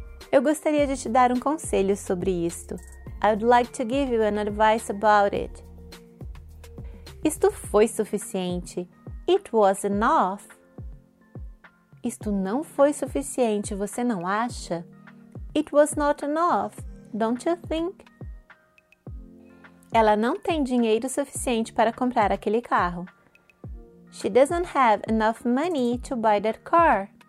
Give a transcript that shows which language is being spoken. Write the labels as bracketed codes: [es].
[pt] Eu gostaria de te dar um conselho sobre isto. [en] I would like to give you an advice about it. [pt] Isto foi suficiente. [en] It was enough. [pt] Isto não foi suficiente, você não acha? [en] It was not enough, don't you think? [pt] Ela não tem dinheiro suficiente para comprar aquele carro. [en] She doesn't have enough money to buy that car.